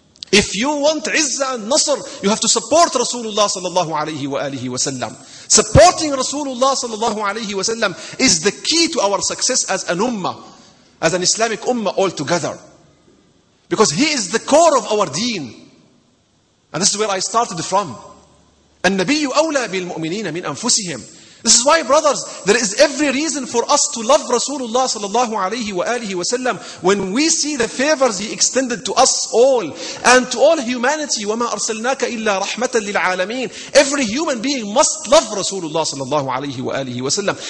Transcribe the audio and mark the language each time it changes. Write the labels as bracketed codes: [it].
[en] If you want izzah and nasr, you have to support Rasulullah sallallahu alayhi wa alihi wa sallam. Supporting Rasulullah sallallahu alayhi wa sallam is the key to our success as an ummah, as an Islamic ummah all together. Because he is the core of our deen. And this is where I started from. [ar] النبي أولى بالمؤمنين من أنفسهم. [en] This is why, brothers, there is every reason for us to love Rasulullah sallallahu alayhi wa alihi wa sallam when we see the favors he extended to us all and to all humanity. [ar] وَمَا أَرْسَلْنَاكَ إِلَّا رَحْمَةً لِلْعَالَمِينَ. [en] Every human being must love Rasulullah sallallahu alayhi wa alihi wa sallam.